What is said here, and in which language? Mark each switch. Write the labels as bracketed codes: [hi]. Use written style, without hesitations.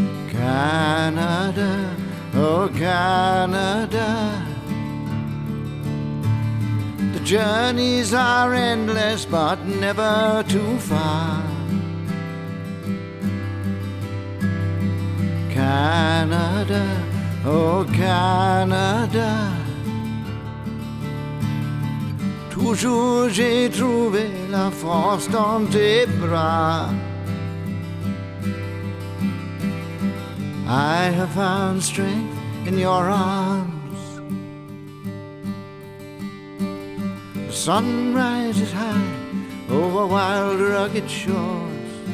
[en] Canada, oh Canada, the journeys are endless but never too far. [fr] Canada, oh Canada, toujours j'ai trouvé la force dans tes bras. [en] I have found strength in your arms. The sun rises high over wild rugged shores.